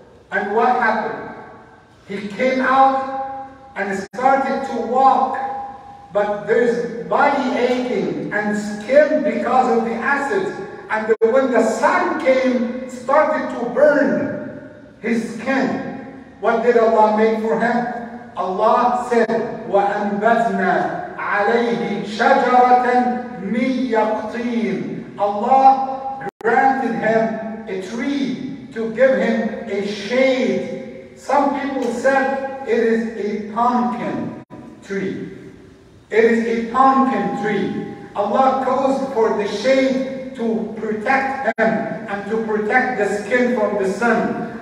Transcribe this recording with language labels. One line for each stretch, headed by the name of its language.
English: And what happened? He came out and started to walk, but there's body aching and skin because of the acid. And when the sun came, started to burn his skin. What did Allah make for him? Allah said,
Arabic: وَأَنْبَتْنَا عَلَيْهِ شَجَرَةً مِنْ يَقْطِينَ.
English: Allah granted him a tree to give him a shade. Some people said it is a pumpkin tree. It is a pumpkin tree. Allah caused for the shade to protect him and to protect the skin from the sun.